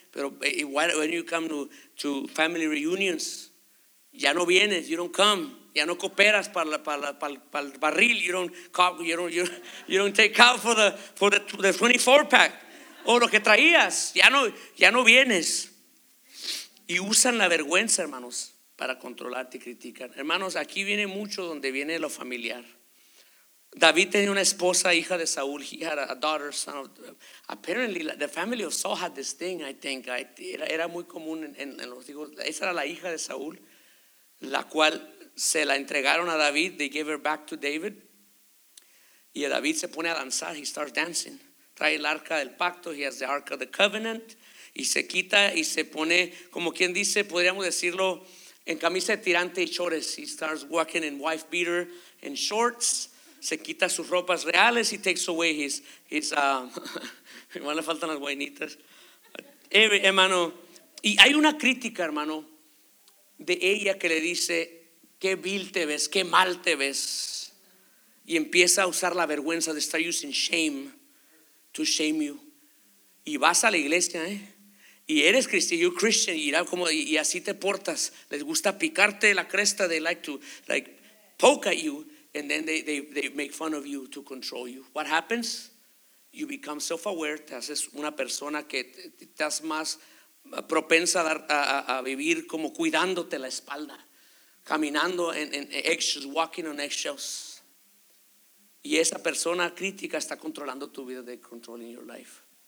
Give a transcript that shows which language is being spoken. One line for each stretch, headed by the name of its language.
Spanish: Pero
English: why, when you come to family reunions,
Spanish: ya no vienes,
English: you don't come,
Spanish: ya no cooperas para el barril,
English: you don't take out for the 24 pack
Spanish: o lo que traías, ya no vienes. Y usan la vergüenza, hermanos, para controlarte y criticar. Hermanos, aquí viene mucho donde viene lo familiar. David tenía una esposa, hija de Saúl.
English: He had a daughter, son of. Apparently, the family of Saul had this thing, I think.
Spanish: Era muy común en los hijos. Esa era la hija de Saúl, la cual se la entregaron a David.
English: They gave her back to David.
Spanish: Y David se pone a danzar.
English: He starts dancing.
Spanish: Trae el arca del pacto.
English: He has the ark of the covenant.
Spanish: Y se quita y se pone, como quien dice, podríamos decirlo, en camisa de tirante y shorts.
English: He starts walking in wife beater and shorts.
Spanish: Se quita sus ropas reales.
English: He takes away his
Spanish: hermano, le faltan las guainitas. Hermano, y hay una crítica, hermano, de ella que le dice, qué vil te ves, qué mal te ves. Y empieza a usar la vergüenza, de
English: start using shame to shame you.
Spanish: Y vas a la iglesia, y eres cristiano,
English: you're Christian,
Spanish: y así te portas. Les gusta picarte la cresta,
English: they like to like poke at you. And then they make fun of you to control you. What happens? You become self-aware.
Spanish: Te haces una persona que estás más propensa a vivir como cuidándote la espalda, caminando en eggshells,
English: walking on eggshells.
Spanish: Y esa persona crítica está controlando tu vida, de
English: controlling your life.